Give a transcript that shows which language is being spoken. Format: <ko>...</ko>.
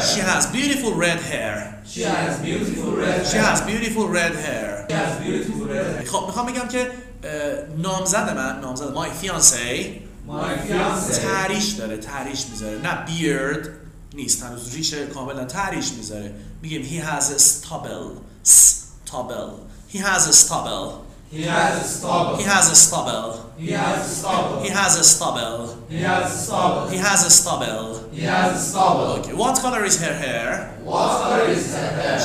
<en>She has beautiful red hair. She has beautiful red hair. She has beautiful red hair. She has beautiful red hair.</en> <fa>خب میخوام بگم که نامزد من، نامزد my fiance.</fa> <en>My fiance.</en> <fa>تعریش داره، تعریش میذاره. نه beard نیست، هنوز ریش کاملا تعریش میذاره. میگیم</fa> <en>he has a stubble. Stubble. He has a stubble. He has a stubble. He has a stubble. He has a stubble. He has a stubble. He has a stubble. He has a stubble. He has a stubble. Okay. What color is her hair? What color is her hair?</en>